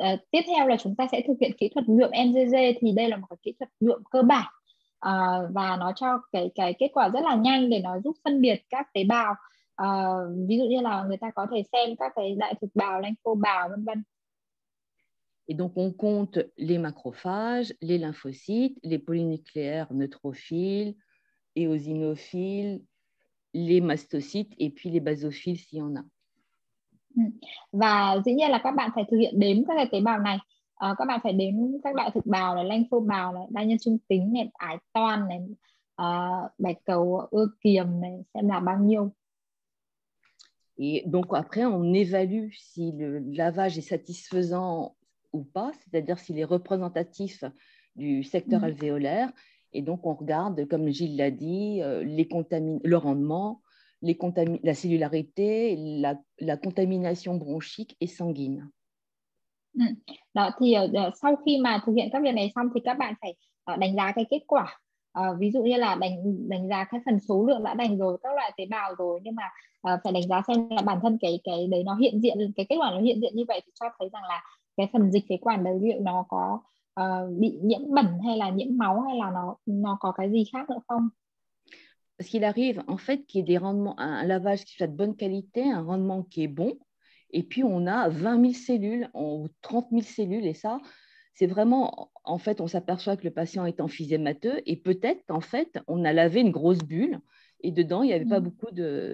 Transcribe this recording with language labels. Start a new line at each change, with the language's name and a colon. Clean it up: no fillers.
Vietnamese: Tiếp theo là chúng ta sẽ thực hiện kỹ thuật nhuộm MGG. Thì đây là một kỹ thuật nhuộm cơ bản và nó cho cái kết quả rất là nhanh để nó giúp phân biệt các tế bào. Ví dụ như là người ta có thể xem các cái đại thực bào, lympho bào, vân vân.
French: Et donc on compte les macrophages, les lymphocytes, les polynucléaires neutrophiles, éosinophiles, les mastocytes et puis les basophiles s'il y en a.
Vietnamese: Và dĩ nhiên là các bạn phải thực hiện đếm các cái tế bào này. Các bạn phải đếm các đại thực bào này, lympho bào này, đa nhân trung tính này, ái toan này, bạch cầu ưa kiềm này, xem là bao nhiêu.
French: Et donc après, on évalue si le lavage est satisfaisant ou pas, c'est-à-dire s'il est représentatif du secteur alvéolaire. Et donc, on regarde, comme Gilles l'a dit, le rendement, la cellularité, la contamination bronchique et sanguine.
Vietnamese: Đó, thì sau khi mà thực hiện các việc này xong, thì các bạn phải đánh giá cái kết quả. Ví dụ như là đánh giá cái phần số lượng đã đánh rồi, các loại tế bào rồi, nhưng mà phải đánh giá xem là bản thân cái đấy nó hiện diện, cái kết quả nó hiện diện như vậy thì cho thấy rằng là cái phần dịch phế quản đấy liệu nó có bị nhiễm bẩn hay là nhiễm máu hay là nó có cái gì khác nữa không?
French: Parce qu'il arrive en fait qu'il y ait des rendements, un lavage qui soit de bonne qualité, un rendement qui est bon, et puis on a 20 000 cellules ou 30 000 cellules, et ça, c'est vraiment, en fait, on s'aperçoit que le patient est emphysémateux, et peut-être qu'en fait, on a lavé une grosse bulle, et dedans, il n'y avait pas beaucoup de.